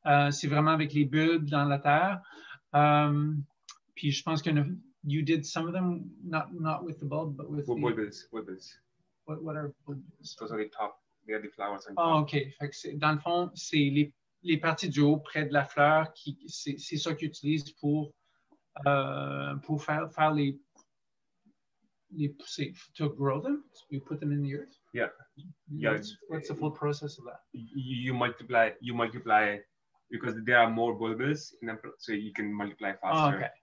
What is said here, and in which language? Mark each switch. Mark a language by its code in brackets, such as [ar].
[fr] C'est vraiment avec les bulbes dans la terre. Puis je pense que [en] you did some of them not with the bulb but with bulbils. What are bulbils? Those are the top. They are the flowers. Ah, ok. [fr] Fait que c'est, dans le fond, c'est les parties du haut près de la fleur qui c'est ça qu'ils utilisent pour faire les pousser. [en] To grow them, so you put them in the earth. Yeah. What's the full process of that? You multiply. Because there are more bulbils, so you can multiply faster.